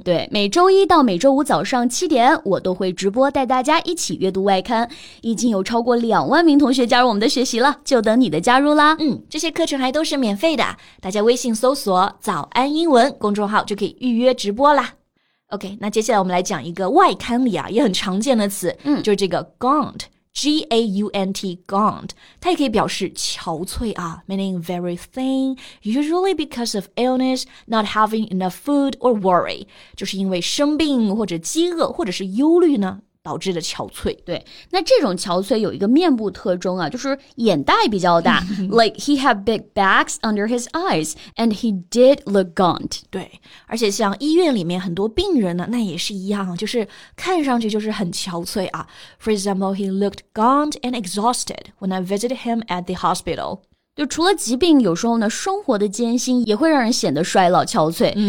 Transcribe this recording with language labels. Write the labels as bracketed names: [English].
[Chinese] 对每周一到每周五早上七点我都会直播带大家一起阅读外刊已经有超过两万名同学加入我们的学习了就等你的加入啦嗯这些课程还都是免费的大家微信搜索早安英文公众号就可以预约直播啦 [English] OK, [Chinese] 那接下来我们来讲一个外刊里啊也很常见的词、就是这个 gaunt, [English] G-A-U-N-T, gaunt. [Chinese] 它也可以表示憔悴啊 [English] meaning very thin, usually because of illness, not having enough food or worry. [Chinese] 就是因为生病或者饥饿或者是忧虑呢导致的憔悴。对，那这种憔悴有一个面部特征啊，就是眼袋比较大。 [English] Like, he had big bags under his eyes, and he did look gaunt. [Chinese] 对，而且像医院里面很多病人呢，那也是一样，就是看上去就是很憔悴啊。 [English] For example, he looked gaunt and exhausted when I visited him at the hospital. [Chinese] 就除了疾病，有时候呢，生活的艰辛也会让人显得衰老憔悴。